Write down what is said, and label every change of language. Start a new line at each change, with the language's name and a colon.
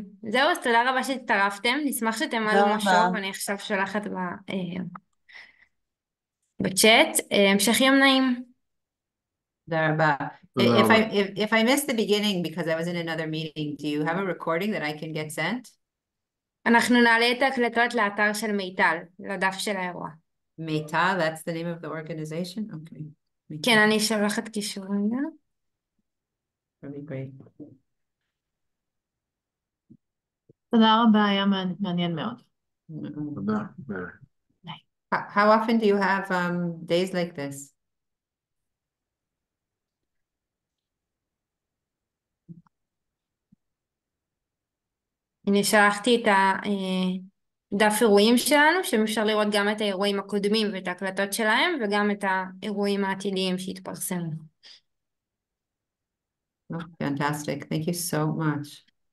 Hebrew: זהו, אז תודה רבה שהצטרפתם, נשמח שאתם עלו משהו, אני עכשיו שולחת בצ'אט, המשך יום נעים. תודה רבה.
English: If I missed the beginning because I was in another meeting, do you have a recording that I can get sent?
Hebrew: אנחנו נעלה את ההקלטות לאתר של מיטל, לדף של האירוע.
English: Meta, that's the name of the organization? Okay.
Hebrew: כן, אני שולחת קישורים.
English: Really great.
Hebrew: תודה רבה, היה מעניין מאוד. תודה.
English: How often do you have days like this?
Hebrew: אני שלחתי את דף אירועים שלנו, שאפשר לראות גם את האירועים הקודמים ואת ההקלטות שלהם, וגם את האירועים העתידיים שהתפרסמו.
English: Fantastic, thank you so much.